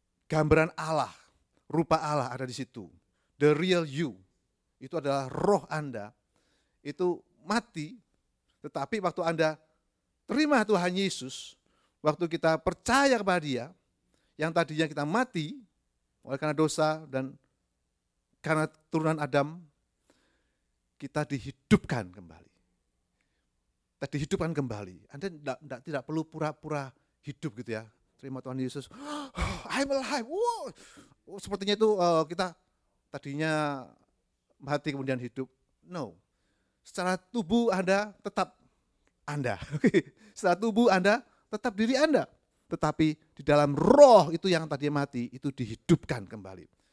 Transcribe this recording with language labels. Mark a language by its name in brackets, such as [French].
[Indonesian] Gambaran Allah, rupa Allah ada di situ. [English] The real you, [Indonesian] itu adalah roh Anda, itu mati, tetapi waktu Anda terima Tuhan Yesus, waktu kita percaya kepada Dia, yang tadinya kita mati, oleh karena dosa dan karena turunan Adam, kita dihidupkan kembali. Kita dihidupkan kembali. Anda tidak perlu pura-pura hidup gitu ya. Terima Tuhan Yesus, [English] I'm alive. Wow. [Indonesian] Sepertinya itu kita tadinya mati kemudian hidup. [English] No, [Indonesian] secara tubuh Anda tetap Anda. Secara tubuh Anda tetap diri Anda. Tetapi di dalam roh itu yang tadinya mati, itu dihidupkan kembali.